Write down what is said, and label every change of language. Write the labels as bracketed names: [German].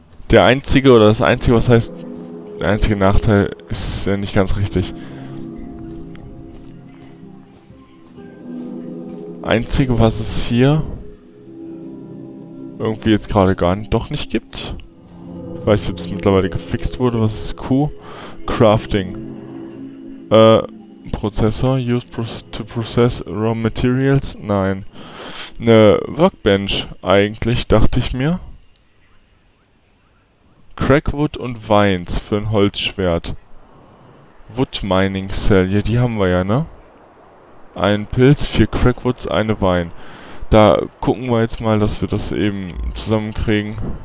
[German] Der einzige, oder das einzige, was heißt. Der einzige Nachteil ist ja nicht ganz richtig. Einzige, was es hier. Irgendwie jetzt gerade gar nicht, doch nicht gibt. Ich weiß nicht, ob es mittlerweile gefixt wurde. Was ist Q? Crafting. Prozessor. [English] Use to process raw materials. [German] Nein. Eine Workbench eigentlich, dachte ich mir. Crackwood und Vines für ein Holzschwert. Wood Mining Cell. Ja, die haben wir ja, ne? Ein Pilz, 4 Crackwoods, eine Vine. Da gucken wir jetzt mal, dass wir das eben zusammenkriegen.